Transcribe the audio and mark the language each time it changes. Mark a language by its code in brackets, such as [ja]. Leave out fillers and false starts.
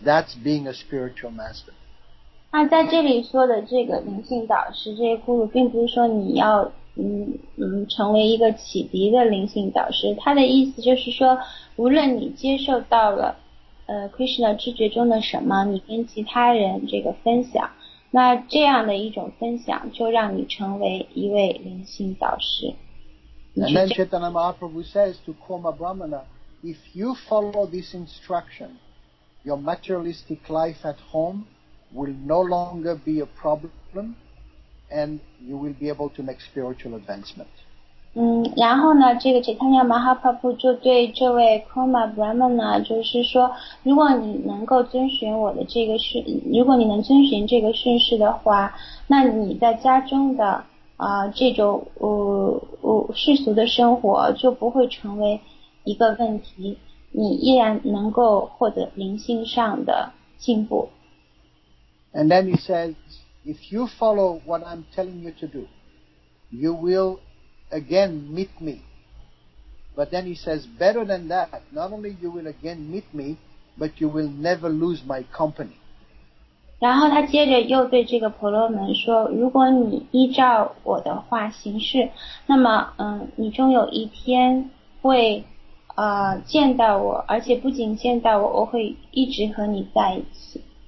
[en] That's being a spiritual master. [zh] 那在这里说的这个灵性导师，这个 guru， 并不是说你要成为一个启迪的灵性导师。他的意思就是说，无论你接受到了Krishna 知觉中的什么，你跟其他人这个分享，那这样的一种分享就让你成为一位灵性导师。 [en] And then Chaitanya Mahaprabhu says to Koma Brahmana, if you follow this instruction, your materialistic life at home. Will no longer be a problem, and you will be able to make spiritual advancement. [zh] 然后呢，这个 Chaitanya Mahaprabhu 就对这位 Koma Brahman 呢，就是说，如果你能够遵循我的这个训，如果你能遵循这个训示的话，那你在家中的这种世俗的生活就不会成为一个问题，你依然能够获得灵性上的进步。 [en] And then he says, if you follow what I'm telling you to do, you will again meet me. But then he says, better than that, not only you will again meet me, but you will never lose my company. [zh] 然后他接着又对这个婆罗门说，如果你依照我的话行事，那么你终有一天会见到我，而且不仅见到我，我会一直和你在一起。